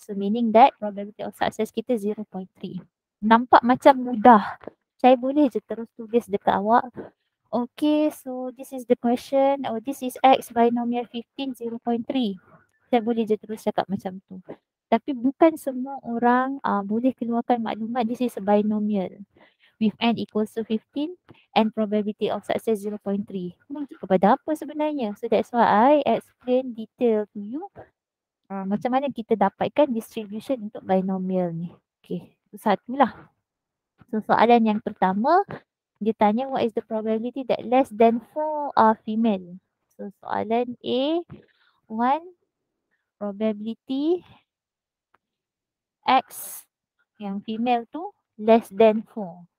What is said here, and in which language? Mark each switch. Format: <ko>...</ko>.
<en>So meaning that probability of success kita 0.3.</en> <ms>Nampak macam mudah. Saya boleh je terus tulis dekat awak.</ms> <en>Okay, so this is the question. Oh, this is X binomial 15, 0.3.</en> <ms>Saya boleh je terus cakap macam tu. Tapi bukan semua orang boleh keluarkan maklumat</ms> <en>this is a binomial. With N equals to 15 and probability of success 0.3.</en> <ms>Merujuk kepada apa sebenarnya?</ms> <en>So that's why I explain detail to you.</en> <ms>Macam mana kita dapatkan distribution untuk binomial ni. Okay, itu satulah.</ms> <en>So,</en> <ms>soalan yang pertama, dia tanya</ms> <en>what is the probability that less than 4 are female.</en> <ms>So, soalan A, 1, probability X yang female tu</ms> <en>less than 4.</en>